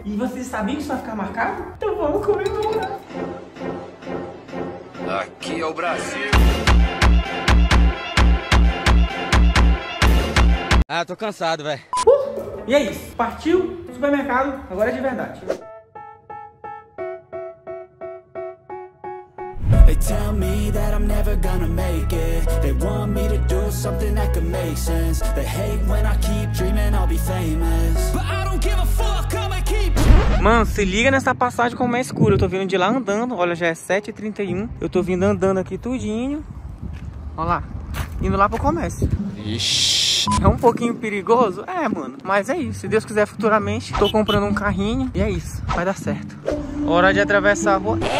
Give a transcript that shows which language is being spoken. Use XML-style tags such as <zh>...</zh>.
<pt>E vocês sabiam que isso vai ficar marcado? Então vamos comigo agora. Aqui é o Brasil. Ah, tô cansado, véi. E é isso, partiu supermercado, agora é de verdade.</pt> <en>Tell me that I'm never gonna make it. They want me to do something that could make sense. They hate when I keep dreaming I'll be famous. But I don't give a fuck, I'ma keep.</en> <pt>Mano, se liga nessa passagem como é escuro. Eu tô vindo de lá andando, olha, já é 7h31. Eu tô vindo andando aqui tudinho. Ó lá, indo lá pro comércio. Ixi. É um pouquinho perigoso? É, mano. Mas é isso, se Deus quiser futuramente. Tô comprando um carrinho e é isso, vai dar certo. Hora de atravessar a rua.</pt>